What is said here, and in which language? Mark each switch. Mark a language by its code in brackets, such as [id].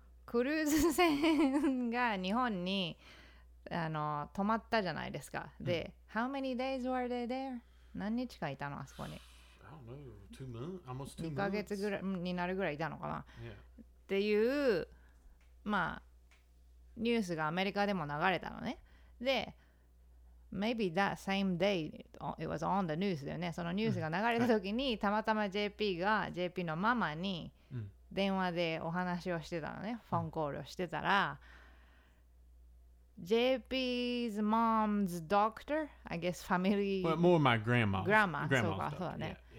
[ja] クルーズ船が日本に泊まったじゃないですか。 [en] で、How many days were they there? [ja] 何日かいたのあそこに。 [en] I don't know, 2 months? Almost 2 months? [ja] 2ヶ月ぐらいになるぐらいいたのかな、 [en] yeah. [ja] っていう、まあ、ニュースがアメリカでも流れたのね。 [en] で、Maybe that same day it was on the news [ja] だよね。そのニュースが流れた時に、たまたま JP が JP のママに電話でお話をしてたのね。フォンコールをしてたら、 [en] JP's mom's doctor, I guess family... Well, more my grandma. [ja] Grandma, そうか、そうだね。